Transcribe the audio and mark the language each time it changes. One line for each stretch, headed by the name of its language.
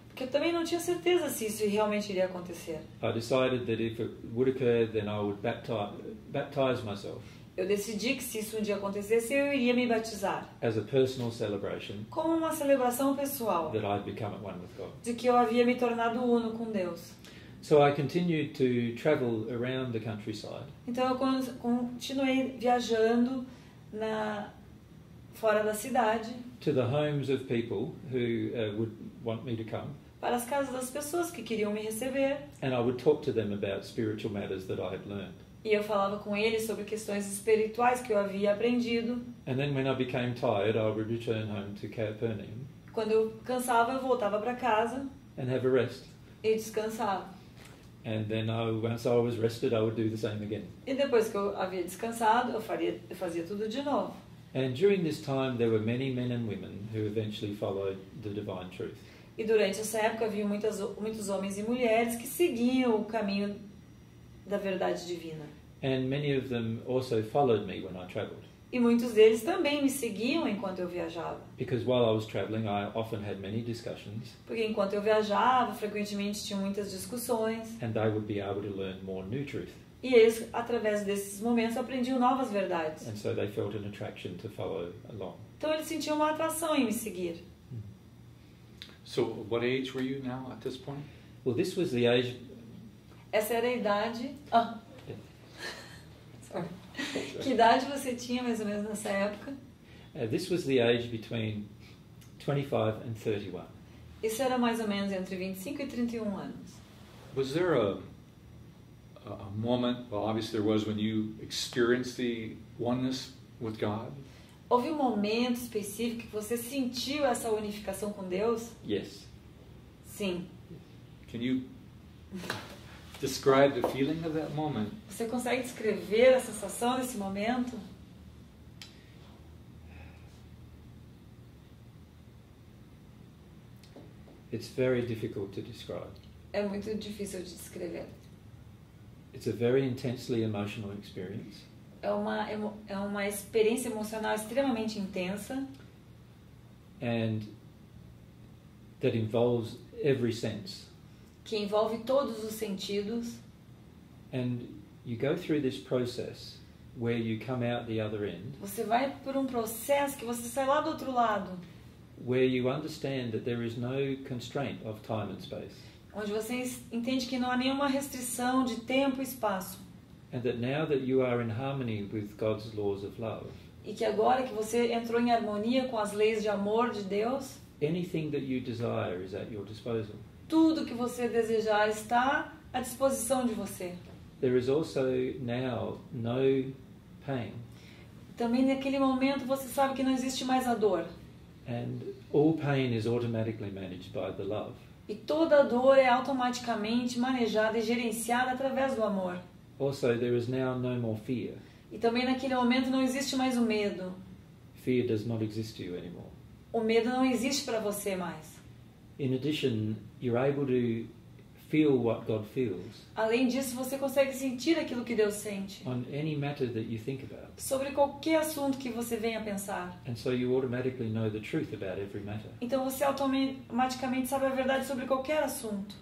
Portuguese: Porque eu também não tinha certeza se isso realmente iria acontecer.
English: I decided that if it would occur, then I would baptize myself.
Portuguese: Eu decidi que se isso um dia acontecesse, eu iria me batizar.
English: As a personal celebration.
Portuguese: Como uma celebração pessoal.
English: That I'd become at one with God.
Portuguese: De que eu havia me tornado uno com Deus.
English: So I continued to travel around the countryside.
Portuguese: Então eu continuei viajando na fora da cidade.
English: To the homes of people who would want me to come.
Portuguese: Para as casas das pessoas que queriam me receber.
English: And I would talk to them about spiritual matters that I had learned.
Portuguese: E eu falava com eles sobre questões espirituais que eu havia aprendido.
English: And then when I became tired, I would return home to Capernaum.
Portuguese: Quando eu cansava, eu voltava para casa.
English: And have a rest.
Portuguese: E descansava.
English: And then once I was rested, I would do the same again.
Portuguese: E depois que eu havia descansado, eu fazia tudo de novo.
English: And during this time, there were many men and women who eventually followed the divine truth.
Portuguese: E durante essa época, havia muitos homens e mulheres que seguiam o caminho da verdade divina.
English: And many of them also followed me when I traveled.
Portuguese: E muitos deles também me seguiam enquanto eu viajava.
English: Because while I was traveling, I often had many discussions.
Portuguese: Porque enquanto eu viajava, frequentemente tinha muitas discussões.
English: And I would be able to learn more new truth.
Portuguese: E eles, através desses momentos, aprendiam novas verdades.
English: And so they felt an attraction to follow along.
Portuguese: Então eles sentiam uma atração em me seguir.
English: So, what age were you now at this point? Well, this was the age.
Portuguese: Essa era a idade. Ah.
English: Yeah. Sorry.
Portuguese: Que idade você tinha mais ou menos nessa época?
English: This was the age between 25 and 31.
Portuguese: Isso era mais ou menos entre 25 e 31 anos.
English: Was there a moment, well, obviously there was, when you experienced the oneness with God?
Portuguese: Houve um momento específico que você sentiu essa unificação com Deus?
English: Yes.
Portuguese: Sim.
English: Can you describe the feeling of that moment?
Portuguese: Você consegue descrever a sensação desse momento?
English: It's very difficult to describe.
Portuguese: É muito difícil de descrever.
English: It's a very intensely emotional experience.
Portuguese: é uma experiência emocional extremamente intensa.
English: And that involves every sense.
Portuguese: Que envolve todos os sentidos.
English: And you go through this process where you come out the other end.
Portuguese: Você vai por um processo que você sai lá do outro lado.
English: Where you understand that there is no constraint of time and space.
Portuguese: Onde você entende que não há nenhuma restrição de tempo e espaço.
English: And that now that you are in harmony with God's laws of love.
Portuguese: E que agora que você entrou em harmonia com as leis de amor de Deus,
English: anything that you desire is at your disposal.
Portuguese: Tudo que você desejar está à disposição de você.
English: There is also now no pain.
Portuguese: Também naquele momento você sabe que não existe mais a dor.
English: And all pain is automatically managed by the love.
Portuguese: E toda a dor é automaticamente manejada e gerenciada através do amor.
English: Also, there is now no more fear.
Portuguese: E também naquele momento não existe mais o medo.
English: Fear does not exist to you anymore.
Portuguese: O medo não existe para você mais.
English: In addition, you're able to feel what God feels.
Portuguese: Além disso, você consegue sentir aquilo que Deus sente.
English: On any matter that you think about.
Portuguese: Sobre qualquer assunto que você venha a pensar.
English: And so you automatically know the truth about every matter.
Portuguese: Então você automaticamente sabe a verdade sobre qualquer assunto.